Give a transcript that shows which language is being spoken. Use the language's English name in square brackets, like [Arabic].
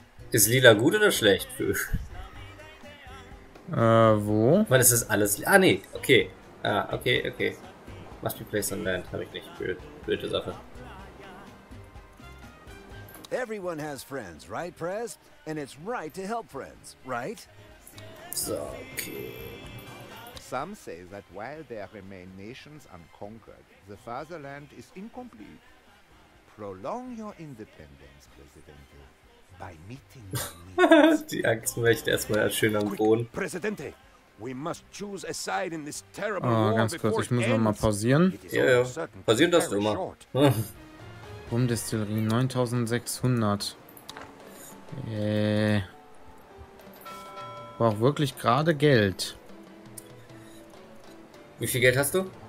[German] Ist Lila gut oder schlecht? Wo? Weil es ist alles. Ah, nee, okay. Ah, okay. [English] Must be placed on land, [German] hab ich nicht. Blöde Sache. [English] Everyone has friends, right, Prez? And it's right to help friends, right? So, okay. Some say that while there remain nations unconquered, the fatherland is incomplete. Prolong your independence, Presidente. by meeting your needs. [German] Die Angst möchte erstmal schön am Boden. [English] Presidente, we must choose a side in this terrible war. [German] Oh, ganz kurz, ich muss nochmal pausieren. Ja, ja. Pausieren darfst du immer. Rumdestillerie 9600. Brauch wirklich gerade Geld. Wie viel Geld hast du?